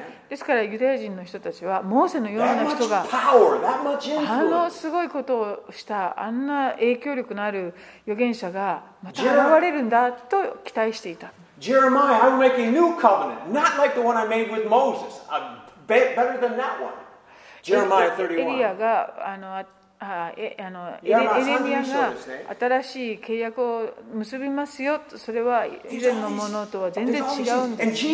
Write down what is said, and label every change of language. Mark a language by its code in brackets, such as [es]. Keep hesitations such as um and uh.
[ja] ですからユダヤ人の人たちはモーセのような人があのすごいことをしたあんな影響力のある預言者がまた現れるんだと期待していた。 [en] Jeremiah, I will make a new covenant, not like the one I made with Moses, a be, better than that one. Jeremiah 31. [ja] はあ、えあのエレエレミアが新しい契約を結びますよと、それは以前のものとは全然違うんです。